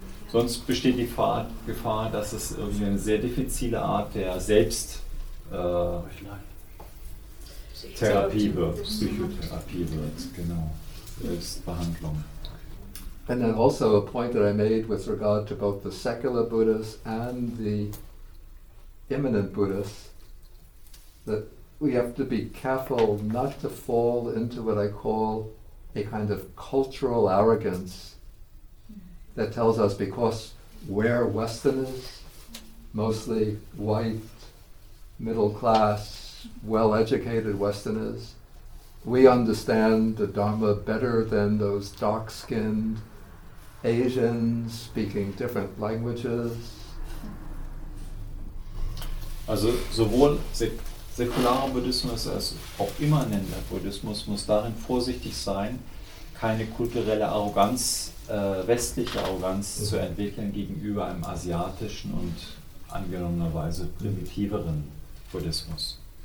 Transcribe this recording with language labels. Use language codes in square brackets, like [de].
[de] Sonst besteht die Gefahr, dass es irgendwie eine sehr diffizile Art der Selbsttherapie wird, Psychotherapie wird, genau, Selbstbehandlung. [en] And then also a point that I made with regard to both the secular Buddhists and the immanent Buddhists, that we have to be careful not to fall into what I call a kind of cultural arrogance that tells us because we're Westerners, mostly white, middle class, well-educated Westerners, we understand the Dharma better than those dark-skinned Asians speaking different languages. [de] Also sowohl säkularer Buddhismus als auch immanenter Buddhismus muss darin vorsichtig sein, keine kulturelle Arroganz, westliche Arroganz zu entwickeln gegenüber einem asiatischen und angenommenerweise primitiveren Buddhismus.